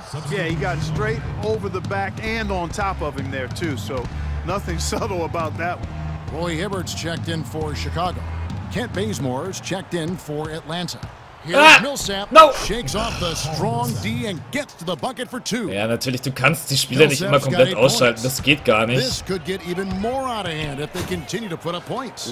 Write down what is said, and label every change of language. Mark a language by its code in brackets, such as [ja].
[en] Yeah, he got straight over the back and on top of him there too. So nothing subtle about that one. Roy Hibbert's checked in for Chicago. Kent Bazemore's checked in for Atlanta. Millsap shakes off the strong D and gets to the bucket for two. [de] Ja, natürlich, du kannst die Spieler nicht immer komplett ausschalten. Das geht gar nicht. [en] This could get even more out of hand if they continue to put up points.